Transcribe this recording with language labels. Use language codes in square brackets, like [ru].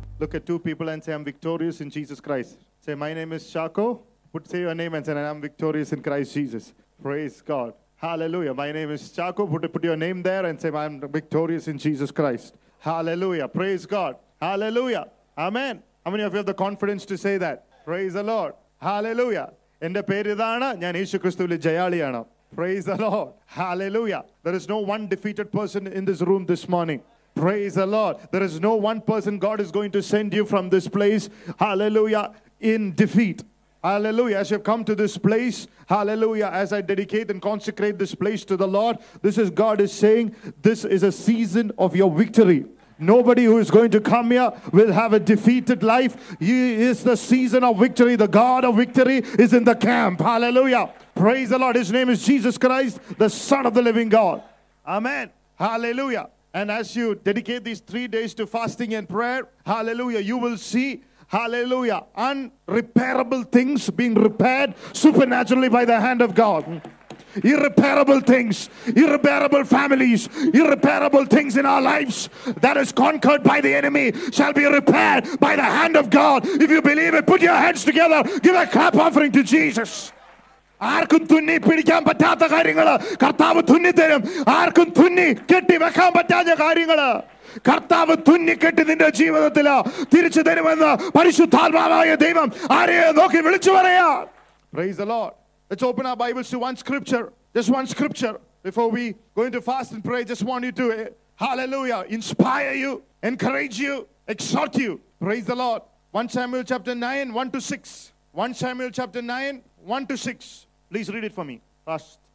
[en] Look at two people and say, I'm victorious in Jesus Christ. Say, my name is Shako. Say your name and say, I'm victorious in Christ Jesus. Praise God. Hallelujah. My name is Shako. Put your name there and say, I'm victorious in Jesus Christ. Hallelujah. Praise God. Hallelujah. Amen. How many of you have the confidence to say that? Praise the Lord. Hallelujah. [ml] എന്റെ പേര് ഇതാണ്, ഞാൻ യേശു ക്രിസ്തുവിലെ ജയാളിയാണ്. [en] Praise the Lord. Hallelujah. There is no one defeated person in this room this morning. Praise the Lord. There is no one person God is going to send you from this place, hallelujah, in defeat. Hallelujah. As you have come to this place, hallelujah, as I dedicate and consecrate this place to the Lord, this is God is saying, this is a season of your victory. Nobody who is going to come here will have a defeated life. He is the season of victory. The God of victory is in the camp. Hallelujah. Praise the Lord. His name is Jesus Christ, the Son of the living God. Amen. Hallelujah. And as you dedicate these 3 days to fasting and prayer, hallelujah, you will see, hallelujah, unrepairable things being repaired supernaturally by the hand of God. Irreparable things, irreparable families, irreparable things in our lives that is conquered by the enemy shall be repaired by the hand of God. If you believe it, put your hands together, give a clap offering to Jesus. [ml] ആർക്കും തുന്നി പിടിക്കാൻ പറ്റാത്ത കാര്യങ്ങൾ കർത്താവ് തുന്നി തരും. ആർക്കും തുന്നി കെട്ടി വെക്കാൻ പറ്റാത്ത കാര്യങ്ങൾ കർത്താവ് തുന്നി കെട്ടി നിന്റെ ജീവിതത്തിൽ തിരിച്ചു തരുമെന്ന് പരിശുദ്ധാത്മാവായ ദൈവം ആരെയോ നോക്കി വിളിച്ചു പറയാ. [en] Praise the Lord. Let's open our Bibles to one scripture. Just one scripture. Before we go into fast and pray, just want you to, hallelujah, inspire you, encourage you, exhort you. Praise the Lord. 1 Samuel chapter 9, 1 to 6. 1 Samuel chapter 9, 1 to 6. Please read it for me. Fast.